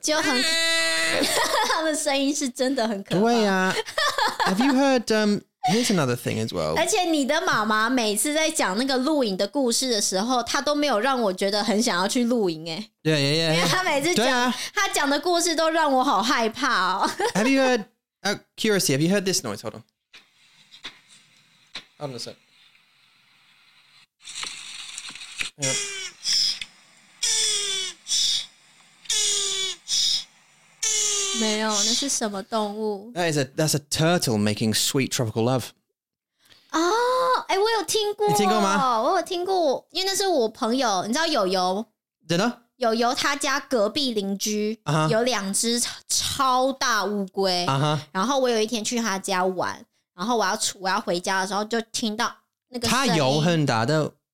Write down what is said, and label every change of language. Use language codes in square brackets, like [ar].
[zh] 就很 他们声音是真的很可怕。对啊。 [en] Have you heard? Here's another thing as well. [zh] 而且你的妈妈每次在讲那个露营的故事的时候，她都没有让我觉得很想要去露营哎。 [en] Yeah, yeah, yeah. [zh] 她每次讲，她讲的故事都让我好害怕哦。Have [en] you heard? Curiosity, have you heard this noise? Hold on. Hold on a sec. That is that's a turtle making sweet tropical love. [zh] Oh, 我有听过，因为那是我朋友，你知道友友。 [en] Dinner? [zh] 友友他家隔壁邻居有两只超大乌龟，然后我有一天去他家玩，然后我要回家的时候就听到那个声音。他有很大的。